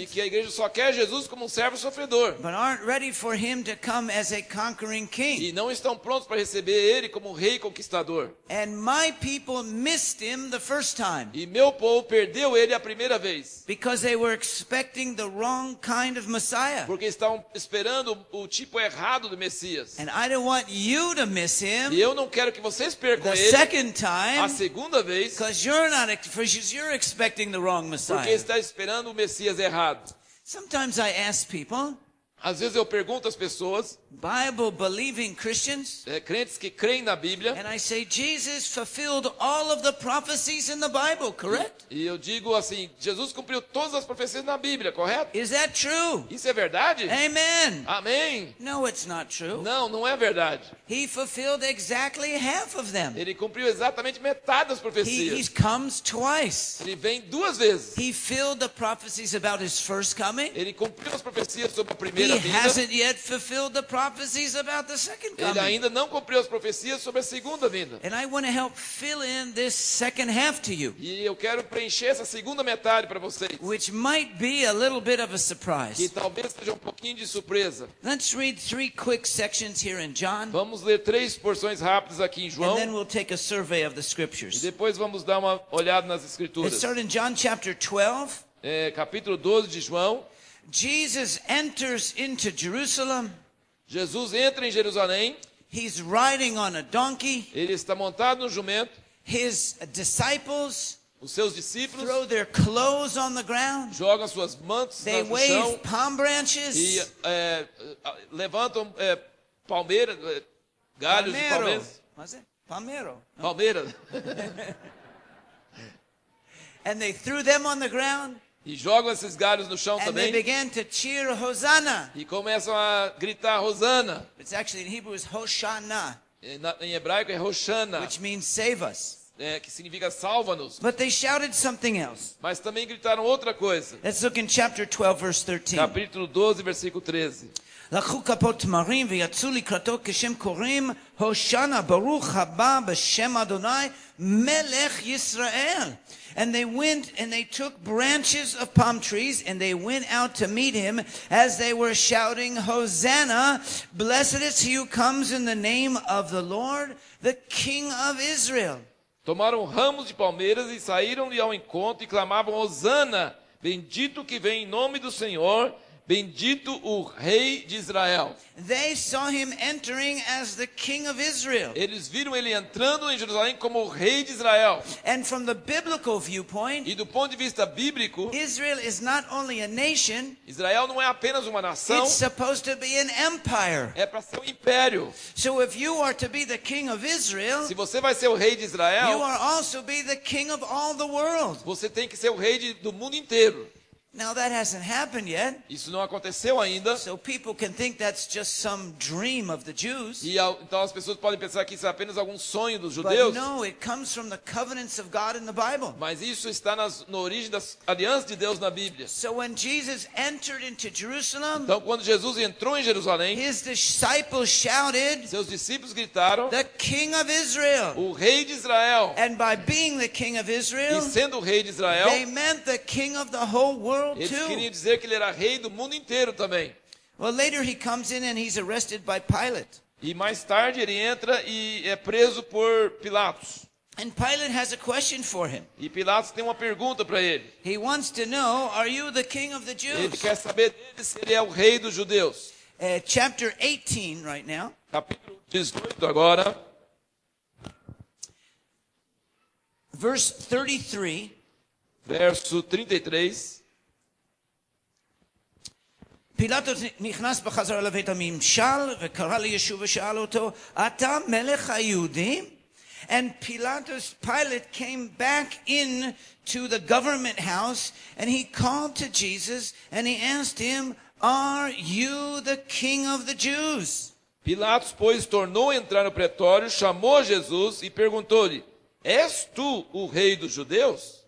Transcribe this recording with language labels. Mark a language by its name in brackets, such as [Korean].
[Portuguese] E que a igreja só quer Jesus como um servo sofredor. [English] But aren't ready for him to come as a conquering king. [Portuguese] E não estão prontos para receber ele como um rei conquistador. [English] And my people missed him the first time. [Portuguese] E meu povo perdeu ele a primeira vez. [English] Because they were expecting the wrong kind of Messiah. [Portuguese] Porque estavam esperando o tipo errado do Messias. [English] And I don't want you to miss him. [Portuguese] E eu não quero que você [English] the second time, [Portuguese] a segunda vez, [English] because you're expecting the wrong Messiah. [Portuguese] Porque está esperando o Messias errado. [English] Sometimes I ask people, [Portuguese] às vezes eu pergunto às pessoas, [English] Bible-believing Christians, [Portuguese] crentes que creem na Bíblia, [English] and I say, Jesus fulfilled all of the prophecies in the Bible, correct? [Portuguese] E eu digo assim, Jesus cumpriu todas as profecias na Bíblia, correto? [English] Is that true? [Portuguese] Isso é verdade? [English] Amen. [Portuguese] Amém. [English] No, it's not true. [Portuguese] Não, não é verdade. [English] He fulfilled exactly half of them. [Portuguese] Ele cumpriu exatamente metade das profecias. [English] He comes twice. [Portuguese] Ele vem duas vezes. [English] He filled the prophecies about his first coming. [Portuguese] Ele cumpriu as profecias sobre a primeira. [English] He hasn't yet fulfilled the prophecies about the second coming. [Portuguese] Ele ainda não cumpriu as profecias sobre a segunda vinda. [English] And I want to help fill in this second half to you. [Portuguese] E eu quero preencher essa segunda metade para vocês. [English] Which might be a little bit of a surprise. [Portuguese] Que talvez seja um pouquinho de surpresa. [English] Let's read three quick sections here in John. [Portuguese] Vamos ler três porções rápidas aqui em João. [English] And then we'll take a survey of the scriptures. [Portuguese] E depois vamos dar uma olhada nas escrituras. [English] Let's start in John chapter 12. [Portuguese] Capítulo 12 de João. [English] Jesus enters into Jerusalem. [Portuguese] Jesus entra em Jerusalém. [English] He's riding on a donkey. [Portuguese] Ele está montado no jumento. [English] His disciples, [Portuguese] os seus discípulos, [English] throw their clothes on the ground. [Portuguese] Jogam suas mantas no chão. [English] They wave palm branches. [Portuguese] E levantam palmeiras, galhos palmeiro. De palmeiras. Palmeiro. Palmeira. [English] And they threw them on the ground. [Portuguese] E jogam esses galhos no chão [English] and [Portuguese] também. [English] They began to cheer Hosanna. [Portuguese] E começam a gritar Hosanna. [English] It's actually in Hebrew is Hoshana. [Portuguese] Em hebraico é Hoshana. [English] Which means save us. [Portuguese] Que significa salva-nos. [English] But they shouted something else. [Portuguese] Mas também gritaram outra coisa. [English] Let's look in chapter 12, verse 13. [Portuguese] Capítulo 12, versículo 13. [Hebrew] לקחו כפות תמרים ויצאו לקראתו כשם קוראים הושנה ברוך הבא בשם אדוני מלך ישראל. [English] And they went and they took branches of palm trees and they went out to meet him as they were shouting Hosanna, blessed is he who comes in the name of the Lord, the King of Israel. [Portuguese] Tomaram ramos de palmeiras e saíram-lhe ao encontro e clamavam Hosanna, bendito que vem em nome do Senhor, bendito o rei de Israel. [English] They saw him entering as the king of Israel. [Portuguese] Eles viram ele entrando em Jerusalém como o rei de Israel. [English] And from the biblical viewpoint, [Portuguese] e do ponto de vista bíblico, [English] Israel is not only a nation, [Portuguese] Israel não é apenas uma nação. [English] It's supposed to be an empire. [Portuguese] É para ser um império. [English] So if you are to be the king of Israel, [Portuguese] se você vai ser o rei de Israel, [English] you are also be the king of all the world. [Portuguese] Você tem que ser o rei do mundo inteiro. [English] Now that hasn't happened yet. [Portuguese] Isso não aconteceu ainda. [English] So people can think that's just some dream of the Jews. [Portuguese] Então as pessoas podem pensar que isso é apenas algum sonho dos judeus. [English] But no, it comes from the covenants of God in the Bible. [Portuguese] Mas isso está na origem das alianças de Deus na Bíblia. [English] So when Jesus entered into Jerusalem, [Portuguese] então quando Jesus entrou em Jerusalém, [English] his disciples shouted, [Portuguese] seus discípulos gritaram, [English] the King of Israel. [Portuguese] O rei de Israel. [English] And by being the King of Israel, [Portuguese] e sendo o rei de Israel, [English] they meant the King of the whole world. [Portuguese] Ele queria dizer que ele era rei do mundo inteiro também. [English] Well, later he comes in and he's arrested by Pilate. [Portuguese] E mais tarde ele entra e é preso por Pilatos. [English] And Pilate has a question for him. [Portuguese] E Pilatos tem uma pergunta para ele. [English] He wants to know, are you the king of the Jews? [Portuguese] Ele quer saber dele se ele é o rei dos judeus. [English] Chapter 18 right now. [Portuguese] Capítulo 18 agora. [English] Verse 33. [Portuguese] Verso 33. [Hebrew] פילטוס נכנס בחזרה לבית הממשל וקרא לישוע ושאל אותו אתה מלך היהודים? [English] And Pilatus, Pilate came back in to the government house and he called to Jesus and he asked him are you the king of the Jews? [Portuguese] Pilatos pois tornou a entrar no pretório, chamou Jesus e perguntou-lhe és tu o rei dos judeus?